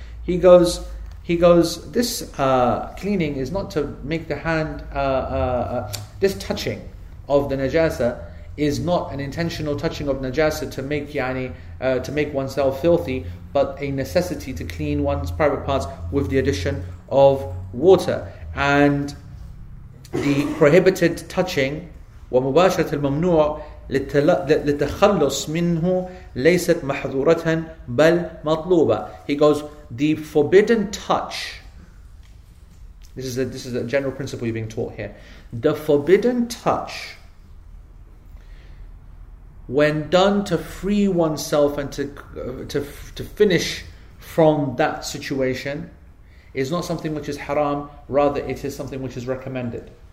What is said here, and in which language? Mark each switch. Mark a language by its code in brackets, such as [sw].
[en] He goes, this cleaning is not to make the hand, this touching of the najasa is not an intentional touching of najasa to make to make oneself filthy, but a necessity to clean one's private parts with the addition of water. And the prohibited touching, [ar] ومباشرة الممنوع للتخلص منه ليست محظورة بل مطلوبة. [en] He goes, the forbidden touch, this is a general principle you're being taught here. The forbidden touch, when done to free oneself and to finish from that situation, is not something which is haram, rather it is something which is recommended.